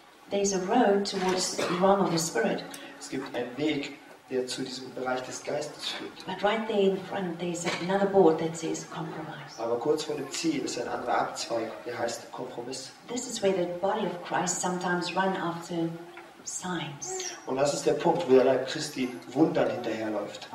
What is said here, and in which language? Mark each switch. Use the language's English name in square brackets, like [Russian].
[English] There is a road towards the realm of the Spirit. [German] Es gibt einen Weg, der zu diesem Bereich des Geistes führt. [English] But right there in front there is another board that says compromise. [German] Aber kurz vor dem Ziel ist ein anderer Abzweig, der heißt Kompromiss. [English] This is where the body of Christ sometimes run after signs. [German] Und das ist der Punkt, wo der Leib Christi Wundern hinterherläuft.